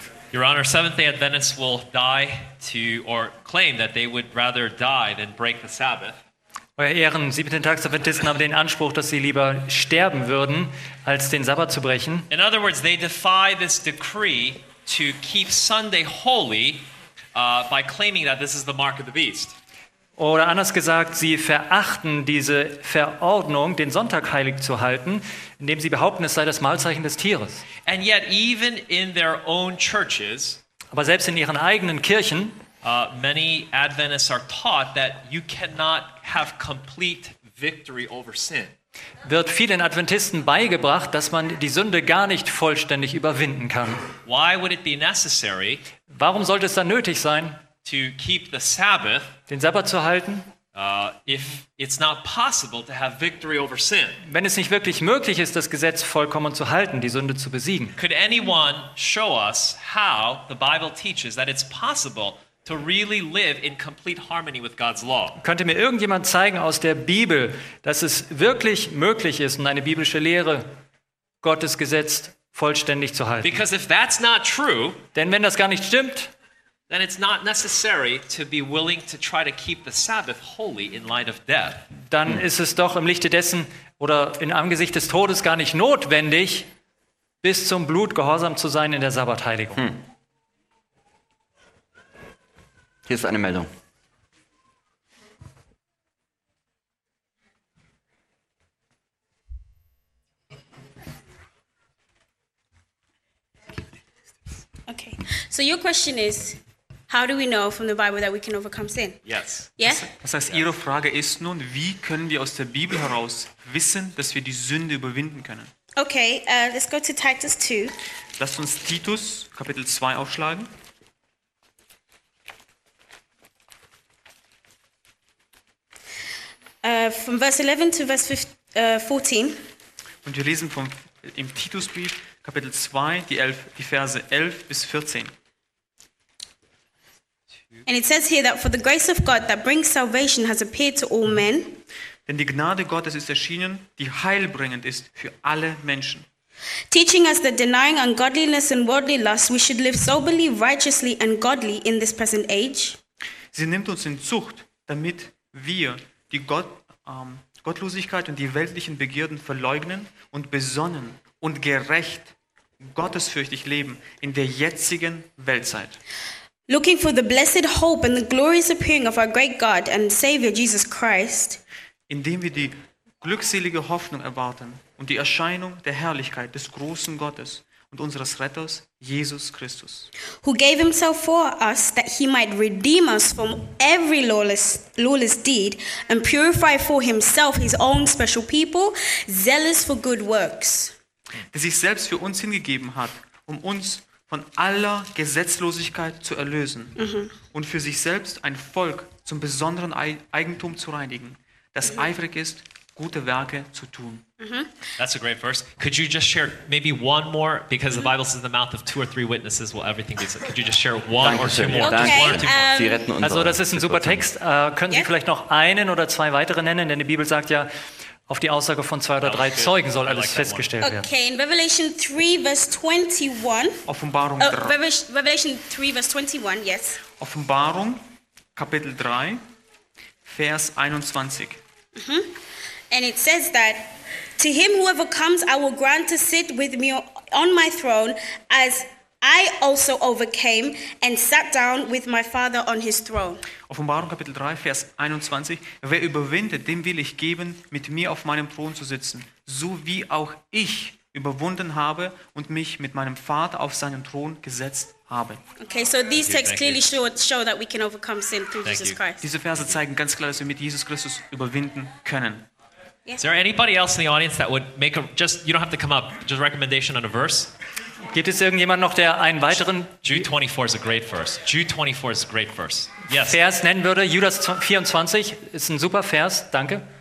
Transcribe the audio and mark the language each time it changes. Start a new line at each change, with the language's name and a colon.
English: Your Honor, Seventh-day Adventists will die to, or claim that they would rather die than break the Sabbath.
German: Euer Ehren, Siebenten-Tags-Adventisten haben den Anspruch, dass sie lieber sterben würden, als den Sabbat zu brechen.
English: In other words, they defy this decree to keep Sunday holy, by claiming that this is the mark of the beast.
German: Oder anders gesagt, sie verachten diese Verordnung, den Sonntag heilig zu halten, indem sie behaupten, es sei das Malzeichen des Tieres.
English: And yet, even in their own churches,
German: aber selbst in ihren eigenen Kirchen,
English: many Adventists are taught that you cannot have complete victory over sin.
German: Wird vielen Adventisten beigebracht, dass man die Sünde gar nicht vollständig überwinden kann.
English: Why would it be necessary?
German: Warum sollte es dann nötig sein,
English: to keep the Sabbath,
German: den Sabbat zu halten,
English: if it's not possible to have victory over sin?
German: Wenn es nicht wirklich möglich ist, das Gesetz vollkommen zu halten, die Sünde zu besiegen.
English: Could anyone show us how the Bible teaches that it's possible to really live in complete harmony with God's law?
German: Könnte mir irgendjemand zeigen aus der Bibel, dass es wirklich möglich ist, eine biblische Lehre, Gottes Gesetz, vollständig zu halten?
English: Because if that's not true,
German: denn wenn das gar nicht stimmt,
English: then it's not necessary to be willing to try to keep the Sabbath holy in light of death.
German: Dann ist es doch im Lichte dessen oder in Angesicht des Todes gar nicht notwendig, bis zum Blut gehorsam zu sein in der Sabbatheiligung. Hier ist eine Meldung.
English: Okay. So your question is, how do we know from the Bible that we can overcome sin? Yes. Yes?
German: Das heißt, Ihre Frage ist nun, wie können wir aus der Bibel heraus wissen, dass wir die Sünde überwinden können?
English: Okay, let's go to Titus 2.
German: Lasst uns Titus Kapitel 2 aufschlagen.
English: From verse 11 to verse 14.
German: Und wir lesen im Titusbrief Kapitel 2, die Verse 11 bis 14.
English: And it says here that for the grace of God that brings salvation has appeared to all men.
German: Denn die Gnade Gottes ist erschienen, die heilbringend ist für alle Menschen.
English: Teaching us that denying ungodliness and worldly lusts, we should live soberly, righteously and godly in this present age.
German: Sie nimmt uns in Zucht, damit wir die Gottlosigkeit und die weltlichen Begierden verleugnen und besonnen und gerecht, gottesfürchtig leben in der jetzigen Weltzeit.
English: Looking for the blessed hope and the glorious appearing of our great God and Savior Jesus Christ.
German: Indem wir die glückselige Hoffnung erwarten und die Erscheinung der Herrlichkeit des großen Gottes und unseres Retters Jesus Christus.
English: Who gave himself for us that he might redeem us from every lawless deed and purify for himself his own special people, zealous for good works.
German: Der sich selbst für uns hingegeben hat, um uns von aller Gesetzlosigkeit zu erlösen und für sich selbst ein Volk zum besonderen Eigentum zu reinigen, das eifrig ist, gute Werke zu tun.
English: That's a great verse. Could you just share maybe one more, because the Bible says in the mouth of two or three witnesses will everything be said. Could you just share one or two more? Okay.
German: Also das ist ein super Text. Können Sie vielleicht noch einen oder zwei weitere nennen? Denn die Bibel sagt ja, auf die Aussage von zwei oder drei Zeugen soll alles festgestellt werden.
English: Okay, in Revelation 3, verse 21.
German: Offenbarung
English: 3. Revelation 3, verse 21, yes.
German: Offenbarung, Kapitel 3, Vers 21.
English: And it says that, to him who overcomes, I will grant to sit with me on my throne, as I also overcame and sat down with my father on his throne.
German: Offenbarung Kapitel 3, Vers 21. Wer überwindet, dem will ich geben, mit mir auf meinem Thron zu sitzen, so wie auch ich überwunden habe und mich mit meinem Vater auf seinen Thron gesetzt habe.
English: Okay, so these texts clearly show that we can overcome sin through Jesus Christ.
German: Diese Verse zeigen ganz klar, dass wir mit Jesus Christus überwinden können.
English: Yeah. Is there anybody else in the audience that would make a, just, you don't have to come up, just a recommendation on a verse?
German: Gibt es irgendjemand noch, der einen weiteren
English: Jude 24 is a great verse. Jude 24 is a great verse. Yes.
German: Vers nennen würde? Judas 24 ist ein super Vers. Danke.